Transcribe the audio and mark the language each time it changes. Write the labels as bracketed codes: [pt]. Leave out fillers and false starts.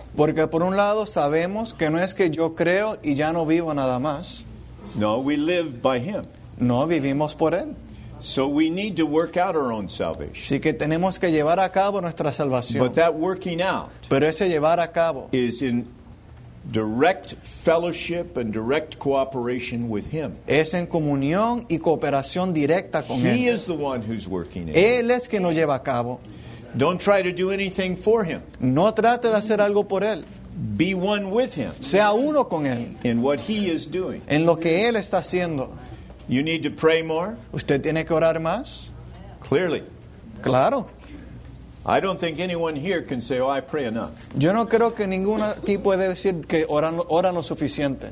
[es] Porque por un lado sabemos que no es que yo creo y ya no vivo nada más. [en] No, we live by Him. [es] No, vivimos por Él. [en] So we need to work out our own salvation. [es] Sí que tenemos que llevar a cabo nuestra salvación. [en] But that working out, [es] pero ese llevar a cabo, [en] is in direct fellowship and direct cooperation with Him. [es] Es en comunión y cooperación directa con [en] He [es] Él. [en] He is the one who's working it. [es] Él es que nos lleva a cabo. [en] Don't try to do anything for Him. [es] No trate de hacer algo por Él. [en] Be one with Him. [es] Sea uno con Él. [en] In what He is doing. [es] En lo que Él está haciendo. [en] You need to pray more. [es] Usted tiene que orar más. [en] Clearly. [es] Claro. [en] I don't think anyone here can say, "Oh, I pray enough." [es] Yo no creo que ninguno aquí puede decir que oran lo suficiente.